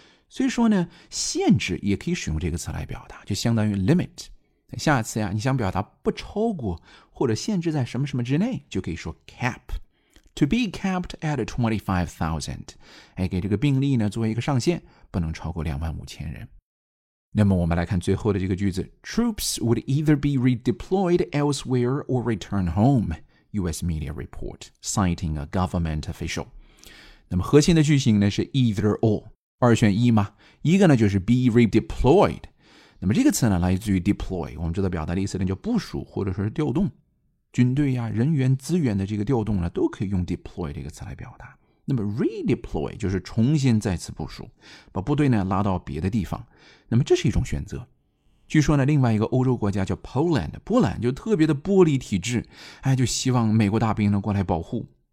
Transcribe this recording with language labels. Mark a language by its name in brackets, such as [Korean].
[Chinese] 所以说呢限制也可以使用这个词来表达就相当于 limit。下次呀你想表达不超过或者限制在什么什么之内就可以说 cap。 [English] To be capped at 25,000, [Chinese] 哎给这个病例呢作为一个上限不能超过25,000人。那么我们来看最后的这个句子 [English] Troops would either be redeployed elsewhere or return home US media report citing a government official [Chinese] 那么核心的句型呢是 either or 二选一嘛一个呢就是 [English] be redeployed [Chinese] 那么这个词呢来自于 deploy 我们知道表达的意思呢叫部署或者说是调动军队啊人员资源的这个调动呢都可以用 deploy 这个词来表达那么 redeploy 就是重新再次部署把部队呢拉到别的地方那么这是一种选择据说呢另外一个欧洲国家叫 Poland 波兰就特别的玻璃体制哎，就希望美国大兵呢过来保护